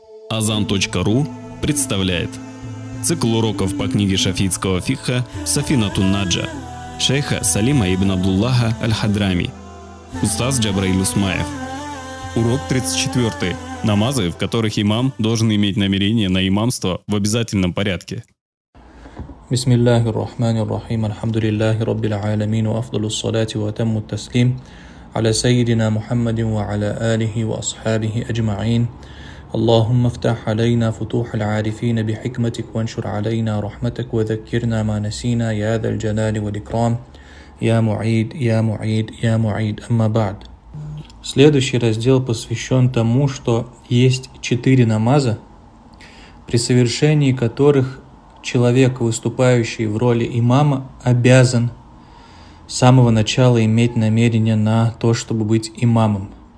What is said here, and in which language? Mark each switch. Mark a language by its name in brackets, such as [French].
[Russian] Azan.ru представляет цикл уроков по книге шафиитского фикха Сафина Тунаджа шейха Салима ибн Абдуллаха Аль-Хадрами, устаз Джабраил Усмаев. Урок 34. Намазы, в которых имам должен иметь намерение на имамство в обязательном порядке. [Arabic] بسم الله الرحمن الرحيم الحمد لله رب العالمين وأفضل الصلاة وأتم التسليم على سيدنا محمد وعلى آله وأصحابه أجمعين اللهم افتح علينا فتوح العارفين بحكمتك وانشر علينا رحمتك وذكرنا ما نسينا يا ذا الجلال والإكرام يا معيد يا معيد يا معيد أما بعد. [Russian] Следующий раздел посвящен тому, что есть четыре намаза, при совершении которых человек, выступающий в роли имама, обязан с самого начала иметь намерение на то, чтобы быть имамом.